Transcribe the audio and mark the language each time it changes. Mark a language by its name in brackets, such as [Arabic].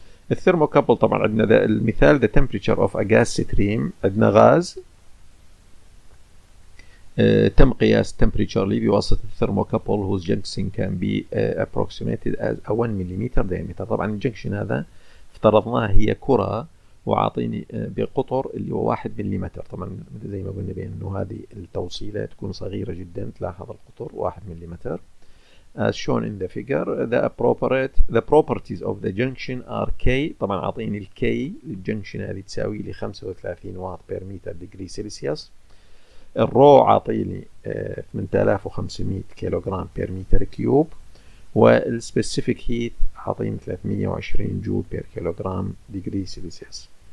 [Arabic] الثيرموكابل طبعا عندنا المثال [English] the temperature of a gas stream, [Arabic] عندنا غاز تم قياس تمبريتشر لي بواسطه الثيرموكابل [English] Whose junction can be approximated as 1 ملم diameter. [Arabic] طبعا الجنكشن هذا افترضناه هي كره وعاطيني بقطر اللي هو 1 مليمتر. طبعا زي ما قلنا بأنه انه هذه التوصيلة تكون صغيرة جدا، تلاحظ القطر 1 مليمتر. [English] As shown in the figure, the properties of the junction are K. [Arabic] طبعا عاطيني ال K للجنكشن هذه تساوي لي 35 واط بير متر ديجري سيلسيوس. الرو عاطيني 8500 كيلوغرام بير متر كيوب. والسبيسيفيك هيت عاطيني 320 جول بير كيلوغرام ديجري سيلسيوس.